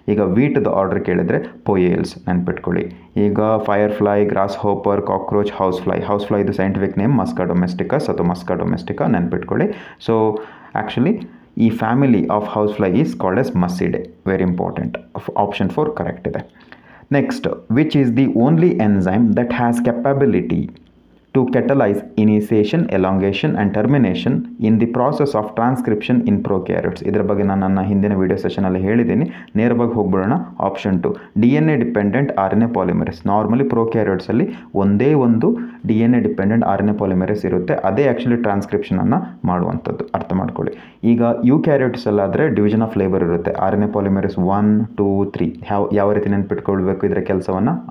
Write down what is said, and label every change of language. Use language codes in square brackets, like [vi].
[kn] ಈಗ ವೀಟ್ದ ಆರ್ಡರ್ ಕೇಳಿದರೆ ಪೊಯೇಲ್ಸ್, ನೆನ್ಪಿಟ್ಕೊಳ್ಳಿ. ಈಗ ಫೈರ್ಫ್ಲೈ, gross hopper, cockroach, house fly. House fly ಇದು ಸೈಂಟಿಫಿಕ್ ನೇಮ್ ಮಸ್ಕಾ ಡೊಮೆಸ್ಟಿಕಸ್ ಅಥವಾ ಮಸ್ಕಾ ಡೊಮೆಸ್ಟಿಕಾ, ನೆನ್ಪಿಟ್ಕೊಳ್ಳಿ. [en] So actually ಈ family of house fly is called as Muscidae, very important. Option four correct ಇದೆ. Next, which is the only enzyme that has capability to catalyze initiation, elongation and termination in the process of transcription in prokaryotes. [kn] ಇದರ ಬಗ್ಗೆ ನಾನು ನನ್ನ ಹಿಂದಿನ video ಸೆಷನಲ್ಲಿ ಹೇಳಿದ್ದೀನಿ. ನೇರವಾಗಿ ಹೋಗ್ಬಿಡೋಣ. Option two, D N A dependent R N A polymerase. Normally ಪ್ರೋಕ್ಯಾರಿಯೋಟ್ಸಲ್ಲಿ ಒಂದೇ ಒಂದು D N A dependent R N A polymerase ಇರುತ್ತೆ, ಅದೇ ಆ್ಯಕ್ಚುಲಿ ಟ್ರಾನ್ಸ್ಕ್ರಿಪ್ಷನನ್ನು ಮಾಡುವಂಥದ್ದು. ಅರ್ಥ ಮಾಡ್ಕೊಳ್ಳಿ. ಈಗ ಯು ಕ್ಯಾರಿಯೋಟ್ಸಲ್ಲಾದರೆ ಡಿವಿಜನ್ ಆಫ್ ಲೇಬರ್ ಇರುತ್ತೆ. ಆರ್ ಎನ್ ಎ ಪಾಲಿಮರೇಸ್ 1, 2, 3 ಯಾವ ರೀತಿ ನೆನ್ಪಿಟ್ಕೊಳ್ಬೇಕು ಇದರ ಕೆಲಸವನ್ನು?